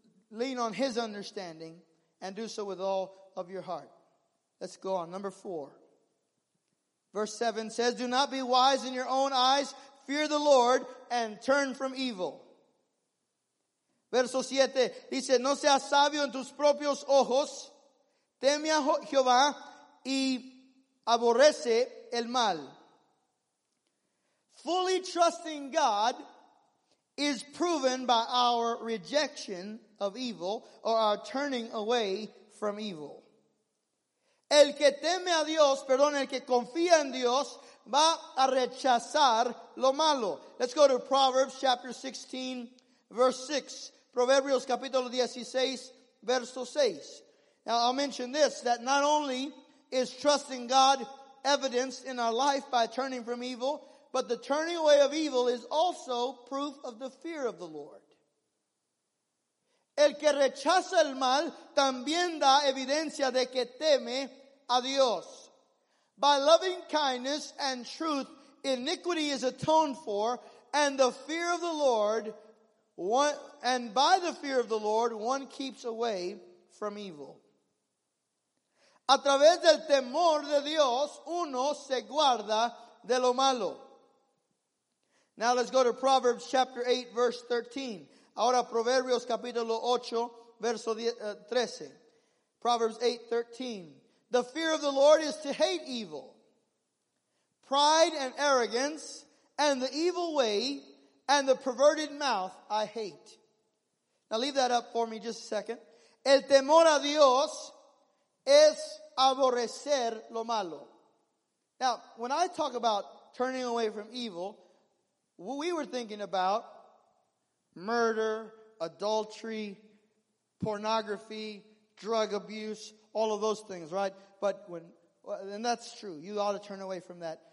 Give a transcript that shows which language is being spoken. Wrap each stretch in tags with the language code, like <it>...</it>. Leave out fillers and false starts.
<en>lean on his understanding and do so with all of your heart. Let's go on. Number four. Verse 7 says, do not be wise in your own eyes. Fear the Lord and turn from evil.</en> <es>Verso 7 dice, no seas sabio en tus propios ojos. Teme a Jehová y aborrece el mal.</es> <en>Fully trusting God is proven by our rejection of evil or our turning away from evil.</en> <es>El que teme a Dios, perdón, el que confía en Dios, va a rechazar lo malo.</es> <en>Let's go to Proverbs chapter 16, verse 6.</en> <es>Proverbios capítulo 16, verso 6.</es> <en>Now I'll mention this, that not only is trusting God evidenced in our life by turning from evil, but the turning away of evil is also proof of the fear of the Lord.</en> <es>El que rechaza el mal también da evidencia de que teme a Dios.</es> <en>By loving kindness and truth, iniquity is atoned for, and the fear of the Lord, by the fear of the Lord, one keeps away from evil.</en> <es>A través del temor de Dios, uno se guarda de lo malo.</es> <en>Now let's go to Proverbs chapter 8, verse 13.</en> <es>Ahora Proverbios capítulo 8, verso 13.</es> <en>Proverbs 8, 13. The fear of the Lord is to hate evil. Pride and arrogance and the evil way and the perverted mouth I hate. Now leave that up for me just a second.</en> <es>El temor a Dios es aborrecer lo malo.</es> <en>Now, when I talk about turning away from evil, we were thinking about murder, adultery, pornography, drug abuse, all of those things, right? But and that's true. You ought to turn away from that.</en>